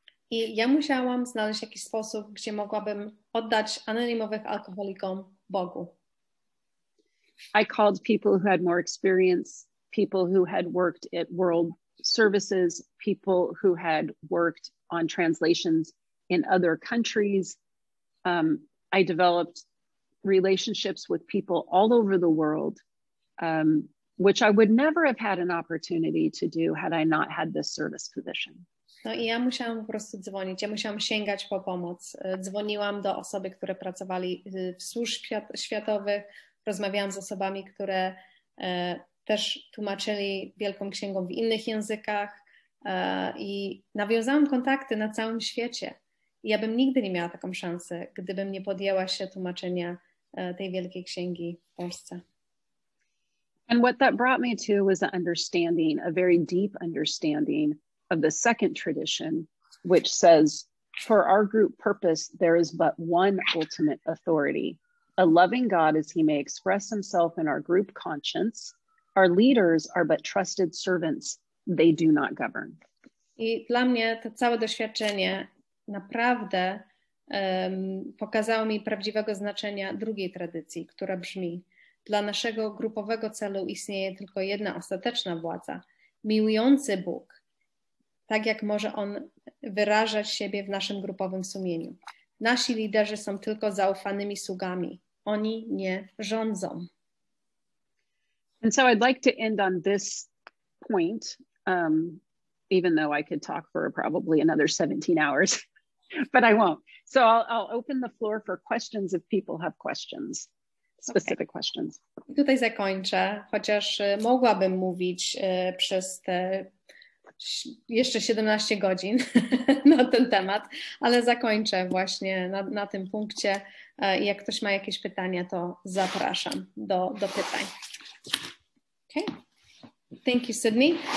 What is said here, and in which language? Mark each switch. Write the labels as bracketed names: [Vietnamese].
[Polish] I ja musiałam znaleźć jakiś sposób, gdzie mogłabym oddać anonimowych alkoholikom Bogu. [English] I called people who had more experience, people who had worked at World Services, people who had worked on translations in other countries. I developed relationships with people all over the world, which I would never have had an opportunity to do had I not had this service position. [Polish] No i ja musiałam po prostu dzwonić, ja musiałam sięgać po pomoc. Dzwoniłam do osoby, które pracowali w służb światowych, rozmawiałam z osobami, które też tłumaczyli Wielką Księgą w innych językach i nawiązałam kontakty na całym świecie. I ja bym nigdy nie miała taką szansy, gdybym nie podjęła się tłumaczenia tej Wielkiej Księgi w Polsce. [English] And what that brought me to was an understanding, a very deep understanding of the second tradition, which says, for our group purpose, there is but one ultimate authority, a loving God as he may express himself in our group conscience. Our leaders are but trusted servants. They do not govern. [Polish] I dla mnie to całe doświadczenie naprawdę pokazało mi prawdziwego znaczenia drugiej tradycji, która brzmi, dla naszego grupowego celu istnieje tylko jedna ostateczna władza, miłujący Bóg, tak jak może on wyrażać siebie w naszym grupowym sumieniu. Nasi liderzy są tylko zaufanymi sługami. Oni nie rządzą. [English] And so I'd like to end on this point, even though I could talk for probably another 17 hours, but I won't. So I'll open the floor for questions if people have questions, specific okay. questions. [Polish] I tutaj zakończę, chociaż mogłabym mówić przez te jeszcze 17 godzin na ten temat, ale zakończę właśnie na tym punkcie. Jak ktoś ma jakieś pytania, to zapraszam do pytań. Okay. [English] Thank you, [Polish] Sydney.